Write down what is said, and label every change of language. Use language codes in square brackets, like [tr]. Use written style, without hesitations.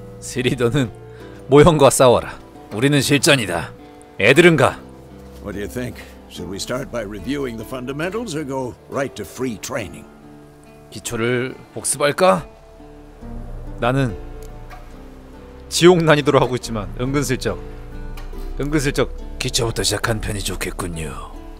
[ko] 시리, 너는 모형과 싸워라. 우리는 실전이다. 애들은 가. [en] What do you think? Should we start by reviewing the fundamentals or go right to free training? [ko] 기초를 복습할까? 나는 지옥 난이도로 하고 있지만 은근슬쩍 기초부터 시작한 편이 좋겠군요.